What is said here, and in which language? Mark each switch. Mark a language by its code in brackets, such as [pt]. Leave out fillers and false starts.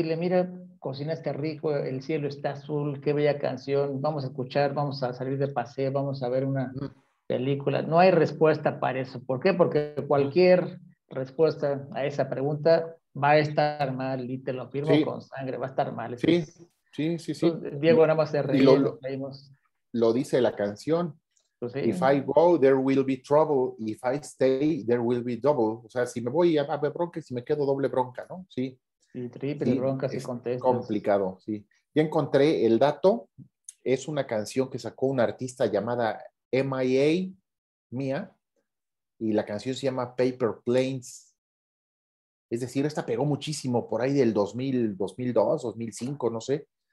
[es] Dile, mira, cocinaste rico, el cielo está azul, qué bella canción, vamos a escuchar, vamos a salir de paseo, vamos a ver una película. No hay respuesta para eso. ¿Por qué? Porque cualquier respuesta a esa pregunta va a estar mal, y te lo afirmo sí. con sangre, va a estar mal. Sí, sí, sí, sí. Entonces, Diego, nada más se reía, lo dice la canción. Pues sí. [en] If I go, there will be trouble. If I stay, there will be double. [es] O sea, si me voy, a ver bronca, si me quedo, doble bronca, ¿no? Sí. Y triple bronca si contestas. Complicado, sí. Ya encontré el dato. Es una canción que sacó una artista llamada M.I.A. Mia. Y la canción se llama Paper Planes. Es decir, esta pegó muchísimo por ahí del 2000, 2002, 2005, no sé.